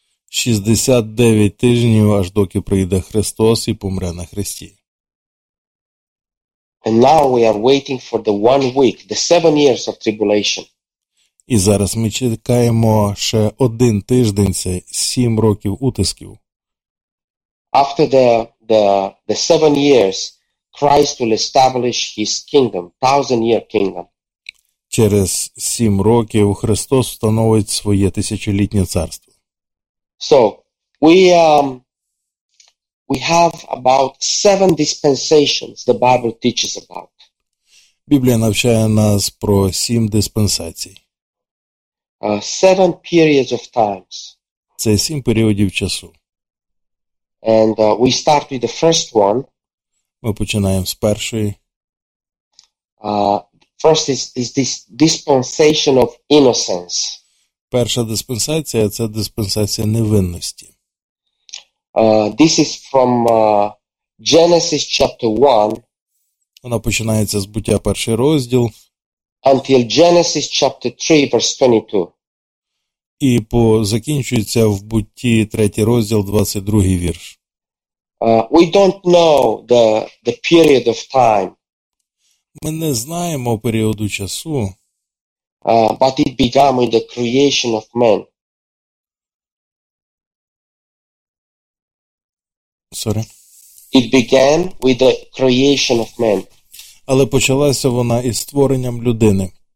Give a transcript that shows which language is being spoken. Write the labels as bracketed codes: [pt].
[uk] 69 тижнів, аж доки прийде Христос і помре на хресті. [en] And now we are waiting for the 1 week, the 7 years of tribulation. [uk] І зараз ми чекаємо ще один тиждень, це 7 років утисків. [en] After the 7 years, Christ will establish his kingdom, 1,000-year kingdom. [uk] Через 7 років Христос встановить своє тисячолітнє царство. [en] So, we have about 7 dispensations the Bible teaches about. [uk] Біблія навчає нас про 7 диспенсацій. [en] 7 periods of times. [uk] Це 7 періодів часу. [en] And we start with the first one. [uk] Ми починаємо з першої. [en] First is this dispensation of innocence. [uk] Перша диспенсація – це диспенсація невинності. [en] This is from Genesis chapter 1. [uk] Вона починається з буття перший розділ. [en] Until Genesis chapter 3 verse 22. [uk] І закінчується в бутті 3 розділ 22 вірш. [en] We don't know the period of time. [uk] Ми не знаємо періоду часу. [en] But it began with the creation of man. Sorry. It began with the creation of man. [uk] Але почалася вона із створенням людини.